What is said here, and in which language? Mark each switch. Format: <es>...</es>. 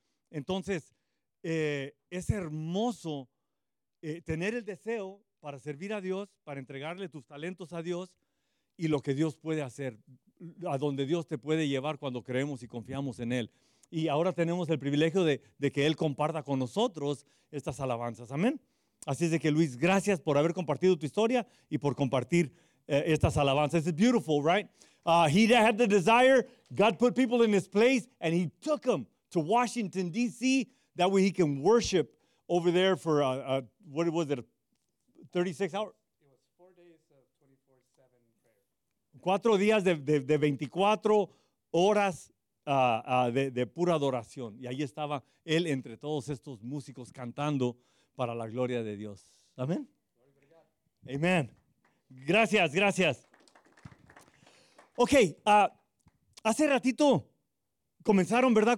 <es>Entonces, es hermoso tener el deseo para servir a Dios, para entregarle tus talentos a Dios y lo que Dios puede hacer, a donde Dios te puede llevar cuando creemos y confiamos en Él. Y ahora tenemos el privilegio de que Él comparta con nosotros estas alabanzas. Amén. Así es de que, Luis, gracias por haber compartido tu historia y por compartir estas alabanzas.</es> <en>It's beautiful, right? He had the desire. God put people in his place and he took them to Washington, D.C. That way he can worship over there for, what was it, 36 hours? It was 4 days of 24/7 prayer.</en> <es>4 días de 24 horas de pura adoración. Y ahí estaba él entre todos estos músicos cantando para la gloria de Dios. Amén. Amén. Gracias, gracias. Ok, hace ratito comenzaron, ¿verdad?</es>